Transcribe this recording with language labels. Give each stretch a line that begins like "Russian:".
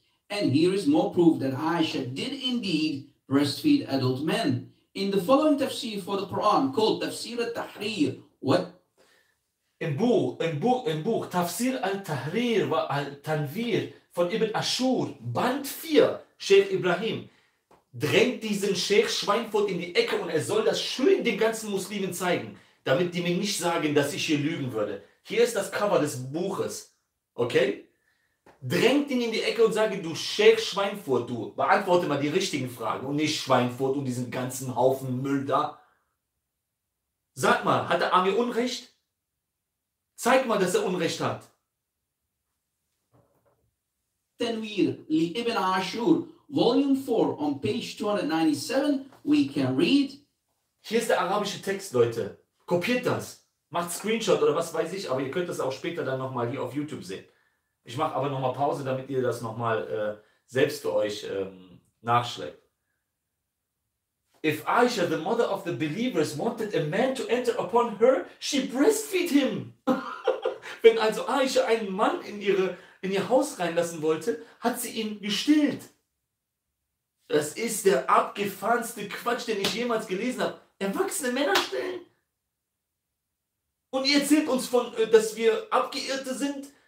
English: And here is more proof that Aisha did indeed breastfeed adult men. In the following tafsir for the Quran called Tafsir al-Tahrir, what?
German: Im Buch, Tafsir al-Tahrir wa al-Tanwir von Ibn Ashur, Band 4, Sheikh Ibrahim, drängt diesen Sheikh Schweinfurt in die Ecke und er soll das schön den ganzen Muslimen zeigen, damit die mir nicht sagen, dass ich hier lügen würde. Hier ist das Cover des Buches. Okay? Drängt ihn in die Ecke und sage, du Sheikh Schweinfurt, du, beantworte mal die richtigen Fragen und nicht Schweinfurt und diesen ganzen Haufen Müll da. Sag mal, hat der Amir Unrecht? Zeig mal, dass er Unrecht hat.
English: Tanwir li Ibn Ashur, Volume 4, on page 297, we can read.
German: Hier ist der arabische Text, Leute. Kopiert das. Macht Screenshot oder was weiß ich, aber ihr könnt das auch später dann nochmal hier auf YouTube sehen. Ich mache aber nochmal Pause, damit ihr das nochmal selbst für euch nachschlägt.
English: If Aisha, the mother of the believers, wanted a man to enter upon her, she breastfeed him.
German: Wenn also Aisha einen Mann in ihr Haus reinlassen wollte, hat sie ihn gestillt. Das ist der abgefahrenste Quatsch, den ich jemals gelesen habe. Erwachsene Männer stillen? Und ihr erzählt uns von, dass wir Abgeirrte sind?